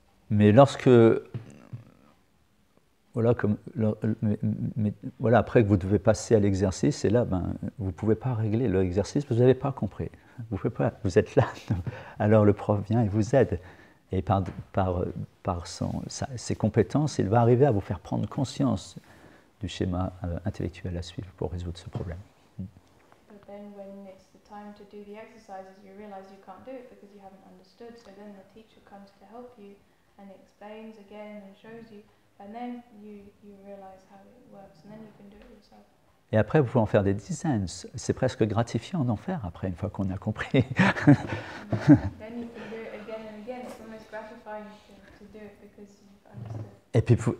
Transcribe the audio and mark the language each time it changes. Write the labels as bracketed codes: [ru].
[fr] Mais lorsque après que vous devez passer à l'exercice, et là vous pouvez pas régler l'exercice, vous avez pas compris, vous pouvez pas, vous êtes là, alors le prof vient et vous aide. Et par ses compétences, il va arriver à vous faire prendre conscience du schéma intellectuel à suivre pour résoudre ce problème. [en] But then when it's the time to do the exercises, you realize you can't do it because you haven't understood. So then the teacher comes to help you and explains again and shows you, and then you realize how it works, and then you can do it yourself. [fr] Et après, vous pouvez en faire des dizaines. C'est presque gratifiant d'en faire après, une fois qu'on a compris. [en] Then you can do it again and again. It's almost gratifying to do it because you've understood.